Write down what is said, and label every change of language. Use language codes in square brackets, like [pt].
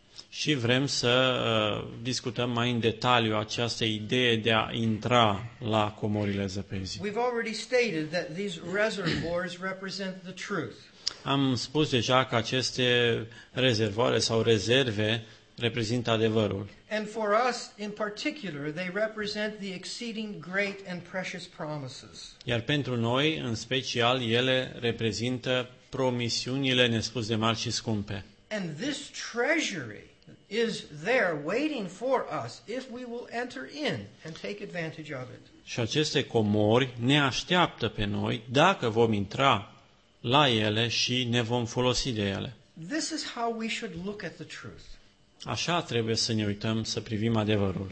[ro] Și vrem să discutăm mai în detaliu această idee de a intra la comorile zăpezii. [en] We've already stated that these reservoirs represent the truth. [ro] Am spus deja că aceste rezervoare sau rezerve reprezintă adevărul. [en] And for us in particular, they represent the exceeding great and precious promises. [ro] Iar pentru noi, în special, ele reprezintă promisiunile nespus de mari și scumpe. [en] And this treasury is there waiting for us if we will enter in and take advantage of it. [ro] Și aceste comori ne așteaptă pe noi dacă vom intra la ele și ne vom folosi de ele. [en] This is how we should look at the truth. [ro] Așa trebuie să ne uităm, să privim adevărul.